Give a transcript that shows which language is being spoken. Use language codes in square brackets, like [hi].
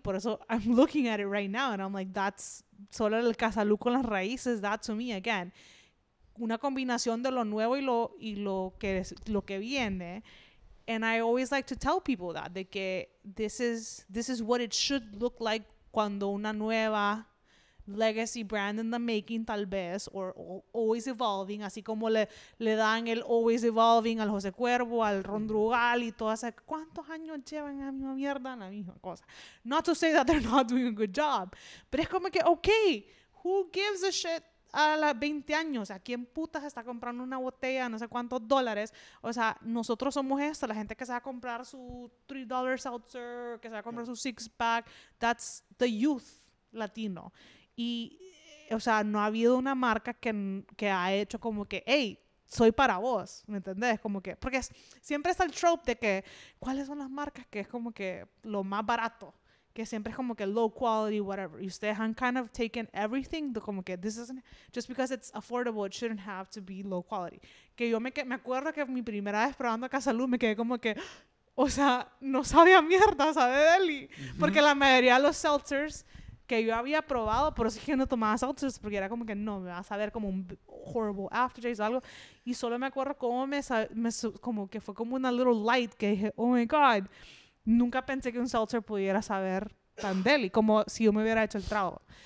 [es] Por eso, [en] I'm looking at it right now, and I'm like, that's [es] solo el Casalú con las raíces, [en] that to me, again. [es] Una combinación de lo nuevo y lo que viene. [en] And I always like to tell people that, [es] de que [en] this is what it should look like [es] cuando una nueva [en] legacy brand in the making, [es] tal vez, [en] or always evolving, [es] así como le dan el [en] always evolving al José Cuervo, al Ron Drugal [es] y todo eso. ¿Cuántos años llevan a la misma mierda, la misma cosa? [en] Not to say that they're not doing a good job, [es] pero es como que, okay, [en] who gives a shit [es] a los 20 años? ¿A quién putas está comprando una botella no sé cuántos dólares? O sea, nosotros somos esto, la gente que se va a comprar su $3 seltzer, que se va a comprar su six pack, [en] that's the youth latino. [es] Y, o sea, no ha habido una marca que ha hecho como que, hey, soy para vos, ¿me entendés? Como que, porque siempre está el trope de que, ¿cuáles son las marcas que es como que lo más barato? Que siempre es como que [en] low quality, whatever. [es] Y ustedes han [en] kind of taken everything, [es] de como que, [en] this isn't, just because it's affordable, it shouldn't have to be low quality. [es] Que yo me acuerdo que mi primera vez probando Casalú, me quedé como que, o sea, no sabía mierda, sabe deli. Mm-hmm. Porque la mayoría de los seltzers que yo había probado, por eso es que no tomaba seltzers, porque era como que no, me va a saber como un horrible aftertaste o algo, y solo me acuerdo cómo como que fue como una [en] little light, [es] que dije, [en] oh my god, [es] nunca pensé que un seltzer pudiera saber tan deli, como si yo me hubiera hecho el trago.